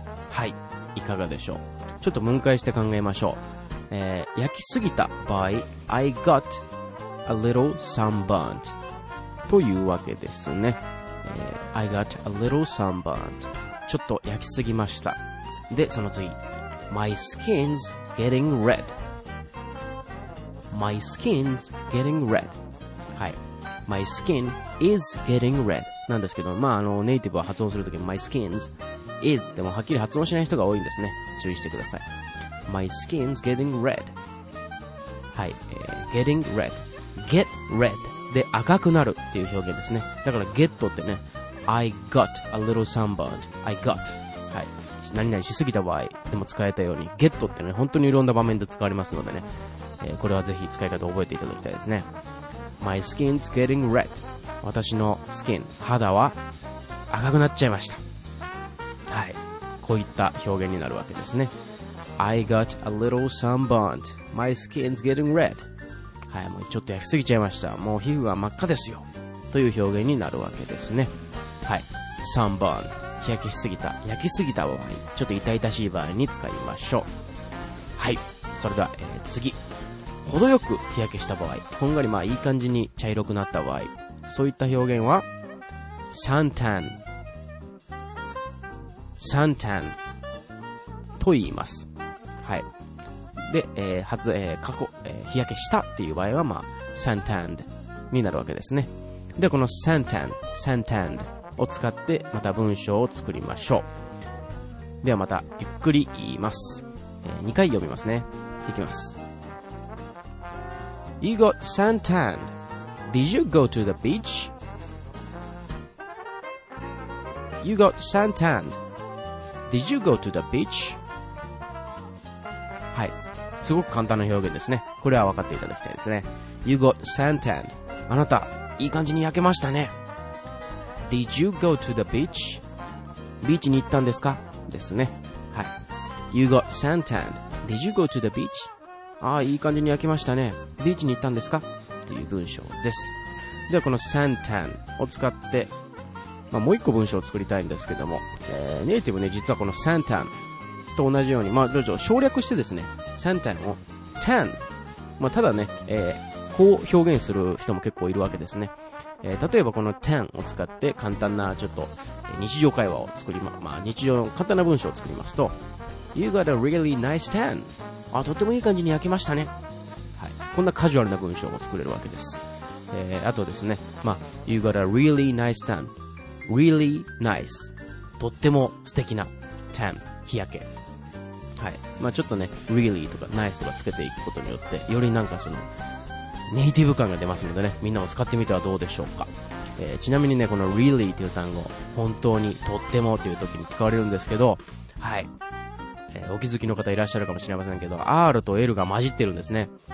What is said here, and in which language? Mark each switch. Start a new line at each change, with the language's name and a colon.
Japanese: はい、いかがでしょう。ちょっと分解して考えましょう。焼きすぎた場合、
English: I got a little sunburnt
Japanese: というわけですね。
English: I got a little sunburnt、
Japanese: ちょっと焼きすぎました。で、その次、
English: My skin's getting red. My skin's getting red.
Japanese: はい、
English: My skin is getting red
Japanese: なんですけど、まあ、あのネイティブは発音するとき My skin's is でもはっきり発音しない人が多いんですね。注意してください。
English: My skin's getting red。
Japanese: はい、getting red、 get red で赤くなるっていう表現ですね。だから get ってね、
English: I got a little sunburned、
Japanese: I got、 はい、何々しすぎた場合でも使えたように、 get ってね、本当にいろんな場面で使われますのでね、これはぜひ使い方を覚えていただきたいですね。
English: My skin's getting red.
Japanese: 私のスキン、肌は赤くなっちゃいました。はい、こういった表現になるわけですね。
English: I got a little sunburned. My skin's getting red.
Japanese: はい、もうちょっと焼きすぎちゃいました。もう皮膚が真っ赤ですよ。という表現になるわけですね。はい、sunburn、 日焼けしすぎた、焼きすぎた場合、ちょっと痛々しい場合に使いましょう。はい、それでは、次。程よく日焼けした場合、こんがりまあいい感じに茶色くなった場合、そういった表現は suntan、 suntan と言います。はい、で、初、過去、日焼けしたっていう場合はまあ suntanned になるわけですね。で、この suntan、 suntanned を使ってまた文章を作りましょう。ではまたゆっくり言います。 2回読みますね。いきます。
English: You got suntan. Did you go to the beach? You got suntan. Did you go to the beach? はい、
Japanese: すごく簡単な表現ですね。これは分かっていただきたいですね。
English: You got suntan.
Japanese: あなたいい感じに焼けましたね。
English: Did you go to the beach?
Japanese: ビーチに行ったんですか? ですね。はい。
English: You got suntan. Did you go to the beach?
Japanese: ああいい感じに焼けましたね。ビーチに行ったんですか?という文章です。ではこの suntan を使って、まあ、もう一個文章を作りたいんですけども、ネイティブね、実はこの suntan と同じように、まあ、省略してですね、suntan を tan、まあ、ただね、こう表現する人も結構いるわけですね。例えばこの tan を使って簡単なちょっと日常会話を作り まあ日常の簡単な文章を作りますと、
English: You got a really nice tan。
Japanese: あ、とってもいい感じに焼けましたね。はい、こんなカジュアルな文章も作れるわけです。あとですね、まあ、
English: You got a really nice tan。 Really nice、
Japanese: とっても素敵な tan、 日焼け。はい、まあ、ちょっとね really とか nice とかつけていくことによってよりなんかそのネイティブ感が出ますのでね、みんなも使ってみてはどうでしょうか。ちなみにね、この really という単語、本当にとってもという時に使われるんですけど、はい、お気づきの方いらっしゃるかもしれませんけど、 R と L が混じってるんですね。